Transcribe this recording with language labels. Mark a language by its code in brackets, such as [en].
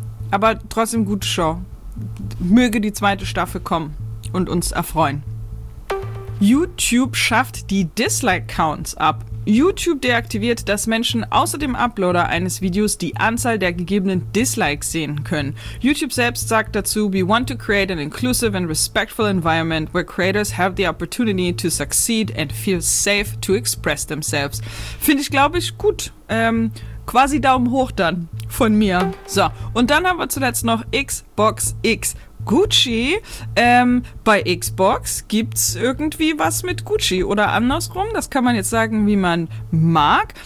[de] Aber trotzdem gute Show. Möge die zweite Staffel kommen und uns erfreuen. YouTube schafft die Dislike-Counts ab. YouTube deaktiviert, dass Menschen außer dem Uploader eines Videos die Anzahl der gegebenen Dislikes sehen können. YouTube selbst sagt dazu, [en] "We want to create an inclusive and respectful environment where creators have the opportunity to succeed and feel safe to express themselves." [de] Finde ich, glaube ich, gut. Quasi Daumen hoch dann von mir. So, und dann haben wir zuletzt noch Xbox X Gucci. Bei Xbox gibt's irgendwie was mit Gucci. Oder andersrum, das kann man jetzt sagen, wie man mag.